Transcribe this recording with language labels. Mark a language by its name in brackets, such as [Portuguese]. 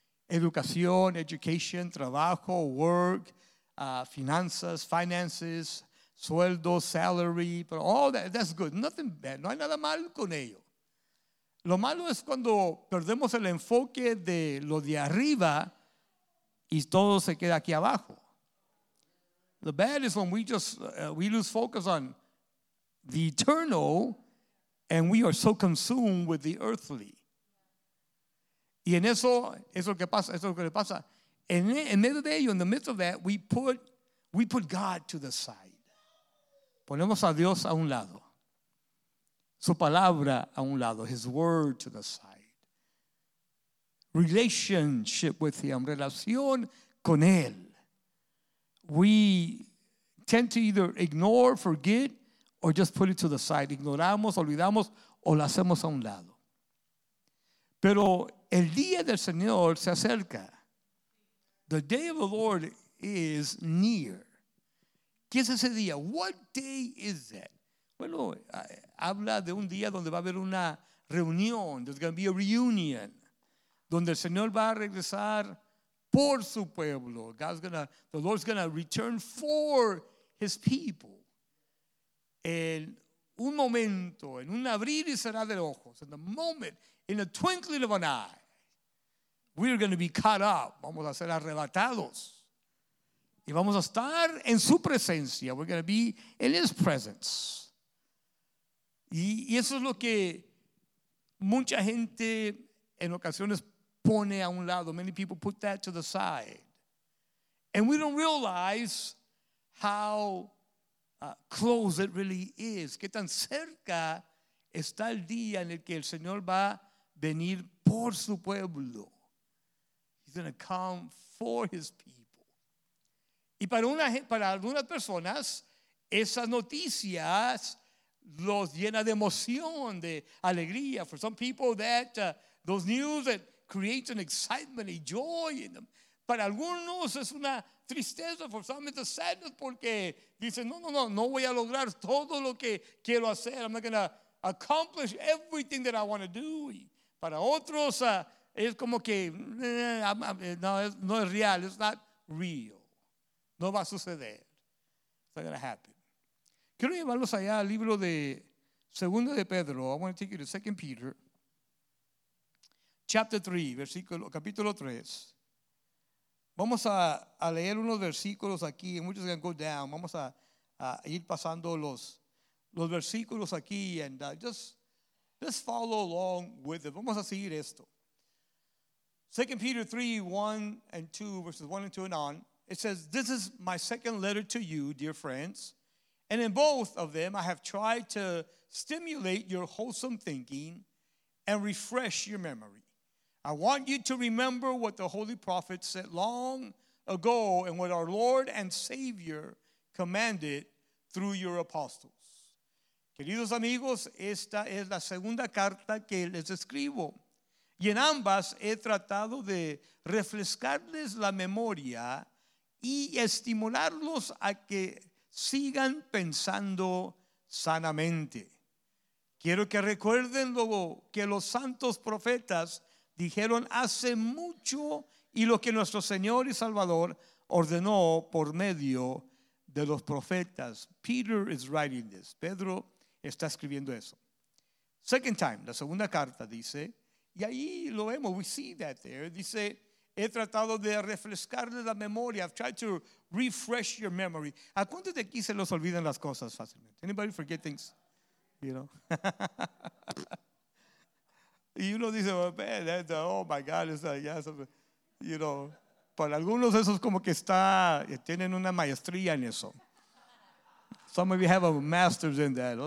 [English] Educación, education, trabajo, work, finances, sueldo, salary, but all that, that's good. Nothing bad. [Spanish] No hay nada malo con ello. Lo malo es cuando perdemos el enfoque de lo de arriba. Y todo se queda aquí abajo. [English] The bad is when we lose focus on the eternal and we are so consumed with the earthly. [Spanish] Y en eso, eso es lo que le pasa. En medio de ello, [English] in the midst of that, we put God to the side. [Spanish] Ponemos a Dios a un lado. Su palabra a un lado. [English] His word to the side. Relationship with him, [Spanish] relación con él. [English] We tend to either ignore, forget, or just put it to the side. [Spanish] Ignoramos, olvidamos, o lo hacemos a un lado. Pero el día del Señor se acerca. [English] The day of the Lord is near. [Spanish] ¿Qué es ese día? [English] What day is that? [Spanish] Bueno, habla de un día donde va a haber una reunión. [English] There's going to be a reunion. [Spanish] Donde el Señor va a regresar por su pueblo. [English] The Lord's going to return for his people. [Spanish] En un momento, en un abrir y cerrar de ojos. [English] In the moment, in the twinkling of an eye. We are going to be caught up. [Spanish] Vamos a ser arrebatados. Y vamos a estar en su presencia. [English] We're going to be in his presence. [Spanish] Y eso es lo que mucha gente en ocasiones pone a un lado. [English] Many people put that to the side. And we don't realize how close it really is. [Spanish] Qué tan cerca está el día en el que el Señor va a venir por su pueblo. [English] He's going to come for his people. [Spanish] Y para algunas personas, esas noticias los llena de emoción, de alegría. [English] For some people, that those news that creates an excitement, a joy in them. [Spanish] Para algunos es una tristeza. [English] For some it's a sadness [Spanish] porque dicen, no voy a lograr todo lo que quiero hacer. [English] I'm not going to accomplish everything that I want to do. [Spanish] Y para otros es como que no es real. [English] It's not real. [Spanish] No va a suceder. [English] It's not going to happen. [Spanish] Quiero llevarlos allá al libro de Segunda de Pedro. [English] I want to take you to 2 Peter. Chapter 3, versículo, capítulo 3. [Spanish] Vamos a leer unos versículos aquí. [English] And we're just going to go down. [Spanish] Vamos a ir pasando los versículos aquí. [English] And just follow along with it. [Spanish] Vamos a seguir esto. [English] 2 Peter 3, 1 and 2, verses 1 and 2 and on. It says, "This is my second letter to you, dear friends. And in both of them, I have tried to stimulate your wholesome thinking and refresh your memory. I want you to remember what the holy prophet said long ago and what our Lord and Savior commanded through your apostles." [Spanish] Queridos amigos, esta es la segunda carta que les escribo. Y en ambas he tratado de refrescarles la memoria y estimularlos a que sigan pensando sanamente. Quiero que recuerden luego que los santos profetas dijeron hace mucho y lo que nuestro Señor y Salvador ordenó por medio de los profetas. [English] Peter is writing this. [Spanish] Pedro está escribiendo eso. [English] Second time, [Spanish] la segunda carta dice, y ahí lo vemos, [English] we see that there. [Spanish] Dice, he tratado de refrescarle la memoria. [English] I've tried to refresh your memory. [Spanish] ¿A cuántos de aquí se los olvidan las cosas fácilmente? [English] Anybody forget things? You know? [Spanish] Y uno dice, [English] oh, man, that's, oh my God, it's a, yes, you know. [Spanish] Para algunos esos como que está, tienen una maestría en eso. [English] Some of you have a master's in that.